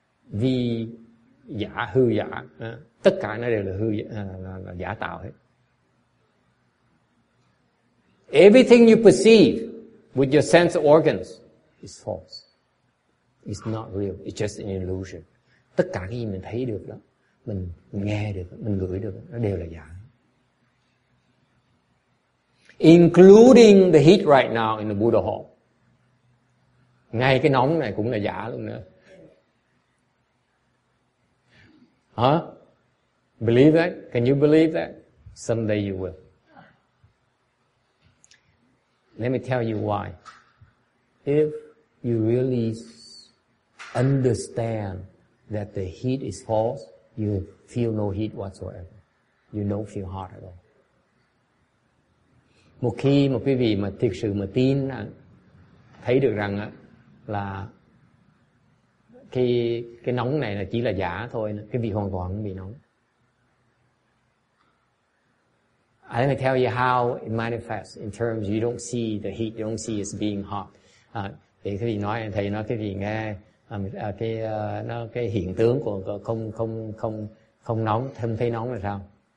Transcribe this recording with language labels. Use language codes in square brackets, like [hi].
[vi] vì giả hư giả, tất cả nó đều là hư là giả tạo hết. [en] Everything you perceive with your sense organs is false. It's not real. It's just an illusion. [vi] Tất cả cái gì mình thấy được đó, mình nghe được, mình ngửi được, nó đều là giả. [en] Including the heat right now in the Buddha hall. [vi] Ngay cái nóng này cũng là giả luôn nữa. [en] Huh? Believe that? Can you believe that? Someday you will. Let me tell you why. If you really understand that the heat is false, you feel no heat whatsoever. You don't feel hot at all. [vi] Một khi mà quý vị mà thực sự mà tin rằng, thấy được rằng là cái nóng này là chỉ là giả thôi, cái vị hoàn toàn không bị nóng. [en] I let me tell you how it manifests in terms you don't see the heat, you don't see it's being hot. [vi] Thì cái vị nói thầy nói cái vị nghe nó cái hiện tướng của không nóng, không thấy nóng là sao?